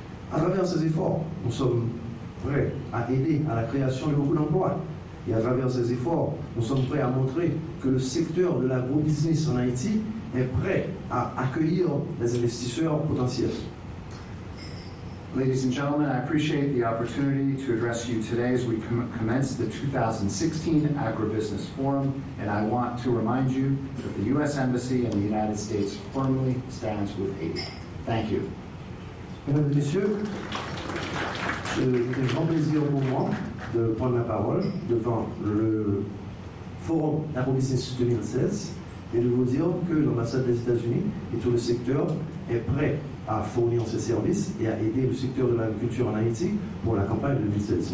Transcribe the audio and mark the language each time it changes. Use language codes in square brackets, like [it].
[fr] À travers ces efforts, nous sommes prêts à aider à la création de beaucoup d'emplois. Et à travers ces efforts, nous sommes prêts à montrer que le secteur de l'agrobusiness en Haïti est prêt à accueillir les investisseurs potentiels. [en] Ladies and gentlemen, I appreciate the opportunity to address you today as we commence the 2016 Agribusiness Forum, and I want to remind you that the U.S. Embassy and the United States firmly stands with Haiti. Thank you. [fr] Mesdames et messieurs, c'est un grand plaisir pour moi de prendre la parole devant le Forum d'Agribusiness 2016 et de vous dire que l'ambassade des États-Unis et tout le secteur est prêt à fournir ses services et à aider le secteur de l'agriculture en Haïti pour la campagne de 2016.